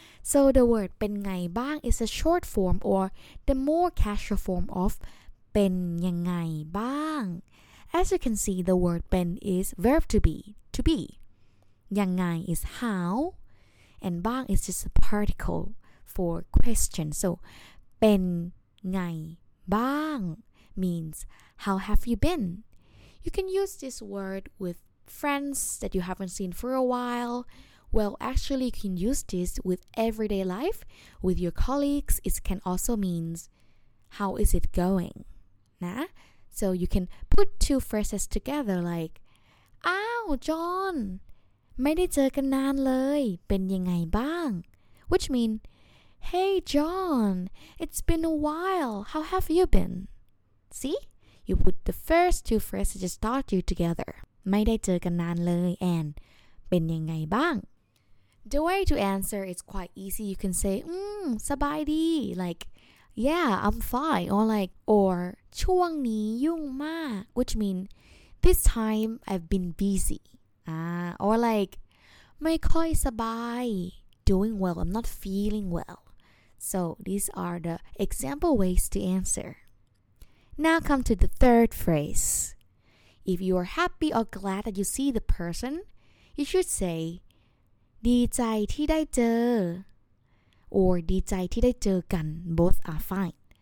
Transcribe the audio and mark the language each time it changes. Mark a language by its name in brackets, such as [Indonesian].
[English] So the word [Thai] เป็นไงบ้าง [English] is a short form or the more casual form of [Thai] เป็นยังไงบ้าง [English] As you can see, the word เป็น is verb to be. ยังไง is how, and บ้าง is just a particle for question. So [Thai] เป็นไงบ้าง [English] means how have you been? You can use this word with friends that you haven't seen for a while,Well, actually, you can use this with everyday life, with your colleagues. It can also mean, how is it going? Nah? So you can put 2 phrases together like, Ow, John, [Thai] ไม่ได้เจอกันนานเลย เป็นยังไงบ้าง? [English] Which mean, Hey, John, it's been a while. How have you been? See? You put the first 2 phrases to start you together. [Thai] ไม่ได้เจอกันนานเลย [English] and [Thai] เป็นยังไงบ้าง? [English] The way to answer is quite easy. You can say, [Thai] สบายดี [English] like, yeah, I'm fine. Or like, or, [Thai] ช่วงนี้ยุ่งมาก [English] which mean, this time I've been busy. Or like, [Thai] ไม่ค่อยสบาย [English] doing well, I'm not feeling well. So these are the example ways to answer. Now come to the third phrase. If you are happy or glad that you see the person, you should say, [Thai] ดีใจที่ได้เจอ [English] or [Thai] ดีใจที่ได้เจอกัน [English] both are fine.